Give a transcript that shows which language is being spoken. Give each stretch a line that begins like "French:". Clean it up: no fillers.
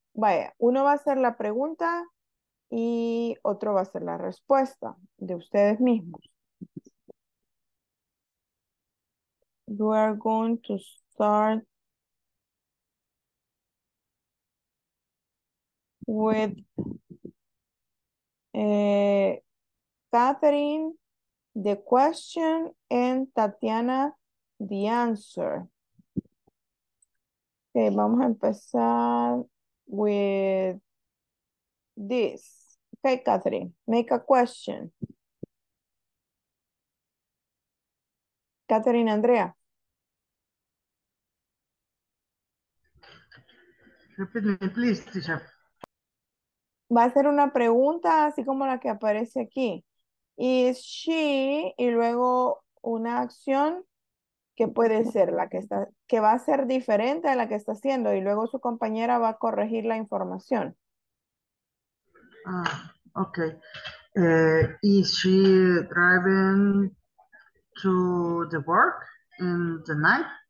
Spanish: Vaya, uno va a hacer la pregunta y otro va a hacer la respuesta de ustedes mismos.
English: You are going to start with Catherine the question and Tatiana the answer.
Spanish: Okay, vamos a empezar
English: with this. Okay, Catherine, make a question. Catherine Andrea. Repeat me, please, teacher.
Spanish: Va a ser una pregunta así como la que aparece aquí.
English: Is she,
Spanish: y luego una acción que puede ser la que está, que va a ser diferente a la que está haciendo, y luego su compañera va a corregir la información. Ah, okay.
English: Is she driving to the work in the night?